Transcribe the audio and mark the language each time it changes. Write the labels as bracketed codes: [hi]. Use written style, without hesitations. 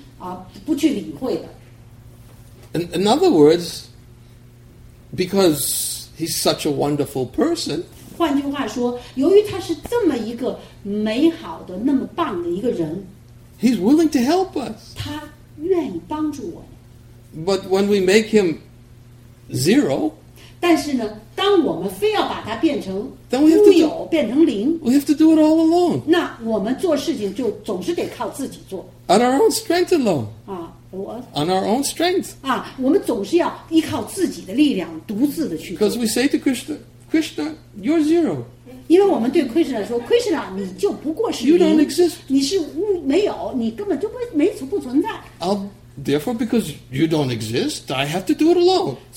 [zh] 对，他对这样的一种渴望他的灵魂，他没有办法是漠不关心，不去理会的。 [en] In other words, because he's such a wonderful person, [zh] 换句话说，由于他是这么一个美好的，那么棒的一个人, [en] he's willing to help us. [zh] 他愿意帮助我们。 [en] But when we make him zero, [zh] 但是呢，当我们非要把它变成 [en] then we have to [zh] 乌有, 变成零, [en] we have to do it all alone. [zh] 那我们做事情就总是得靠自己做。 [en] On our own strength alone. [zh] 啊，我 [en] On our own strength. [zh] 啊，我们总是要依靠自己的力量，独自的去做。 [en] Because we say to Krishna, Krishna, you're zero. [zh] 因为我们对Krishna说, Krishna, 你就不过是零, [en] you don't exist. [zh] 你是无没有, 你根本就不存在。 [en] Therefore, because you don't exist, I have to do it alone.